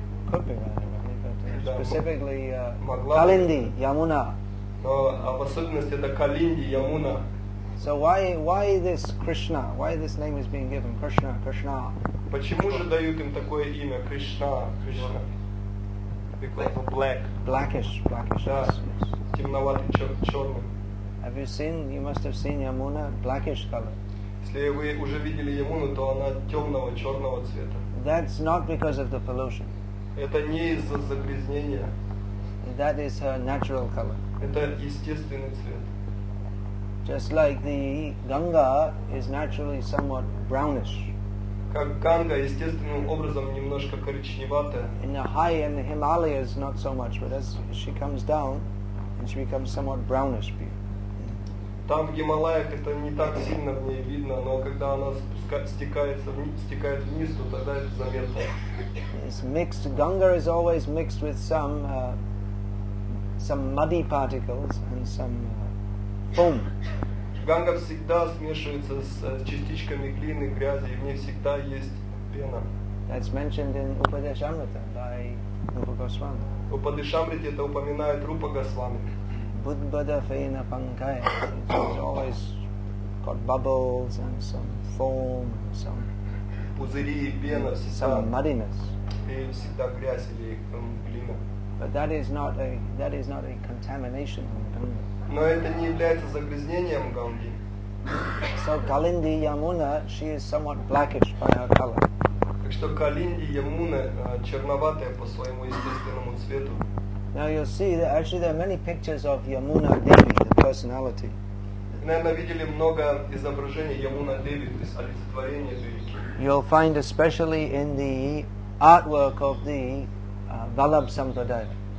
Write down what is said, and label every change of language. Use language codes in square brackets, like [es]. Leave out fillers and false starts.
[en] Could be right, maybe, but specifically Kalindi, Yamuna. [ru] Но в особенности это Kalindi, Yamuna. [en] So why this Krishna? Why this name is being given? Krishna. [ru] Почему же дают им такое имя? [en] Krishna. Because of black. Blackish. [ru] Да, [en] yes. [ru] Темноватый, черный. [en] You must have seen Yamuna, blackish color. [ru] Если вы уже видели Yamuna, то она темного, черного цвета. [en] That's not because of the pollution. [ru] Это не из-за загрязнения. [en] That is her natural color. [ru] Это естественный цвет. [en] Just like the Ganga is naturally somewhat brownish. [ru] Как Ганга естественным образом немножко коричневатая. [en] In the high in the Himalayas not so much, but as she comes down, and she becomes somewhat brownish. [ru] Там в Гималаях это не так сильно в ней видно, но когда она стекает вниз, то тогда это заметно. [en] It's mixed. Ganga is always mixed with some muddy particles and some foam. [ru] Ганга всегда смешивается с частичками глины, грязи, и в ней всегда есть пена. [en] That's mentioned in Upadeshamrita by Rupa Goswami. [ru] Упадешамрите это упоминает Рупа Госвами. Buddha feena pankaya. [en] It's always got bubbles and some foam, some [ru] пузыри и пена, [en] some muddiness. [ru] И всегда грязь или глина. [en] But that is not a contamination of Ganga. [ru] Но это не является загрязнением Ганги. [en] So Kalindi Yamuna, she is somewhat blackish by her color. [ru] Так что Kalindi Yamuna черноватая по своему естественному цвету. [en] Now you'll see that actually there are many pictures of Yamuna Devi, the personality. [ru] Наверное, видели много изображений Yamuna Devi, то есть олицетворения Девики. [en] You'll find especially in the artwork of the Vallabh Sampradaya.